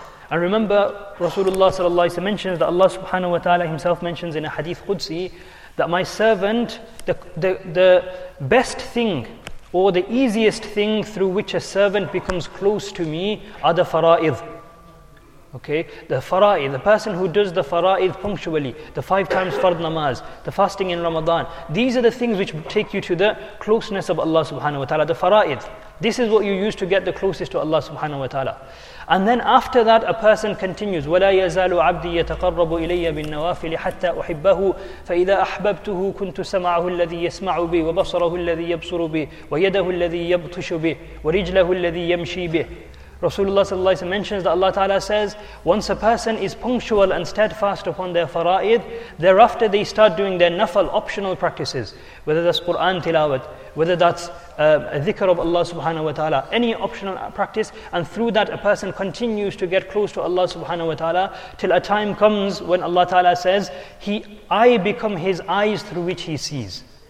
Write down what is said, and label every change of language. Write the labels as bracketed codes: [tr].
[en] And remember, Rasulullah sallallahu alayhi wa sallam mentions that Allah subhanahu wa ta'ala himself mentions in a hadith Qudsi that my servant, the best thing or the easiest thing through which a servant becomes close to me are the fara'id. Okay, the fara'id, the person who does the fara'id punctually, the five times fard namaz, the fasting in Ramadan, these are the things which take you to the closeness of Allah subhanahu wa ta'ala, the fara'id. This is what you use to get the closest to Allah subhanahu wa ta'ala. [ar] And then after that, a person continues, وَلَا يَزَالُ عَبْدِي يَتَقَرَّبُ إِلَيَّ بِالنَّوَافِلِ حَتَّى أُحِبَّهُ فَإِذَا أَحْبَبْتُهُ كُنْتُ سَمَعَهُ الَّذِي يَسْمَعُ بِهِ وَبَصَرَهُ الَّذِي يَبْصُرُ بِهِ وَيَدَهُ الَّذِي يَبْطُشُ بِهِ وَرِجْلَهُ الَّذِي يَمْشِي بِهِ. [en] Rasulullah sallallahu alayhi wa sallam mentions that Allah ta'ala says, once a person is punctual and steadfast upon their fara'id, thereafter they start doing their nafal, optional practices, whether that's Qur'an tilawat, whether that's a dhikr of Allah subhanahu wa ta'ala, any optional practice, and through that a person continues to get close to Allah subhanahu wa ta'ala, till a time comes when Allah ta'ala says, I become his eyes through which he sees.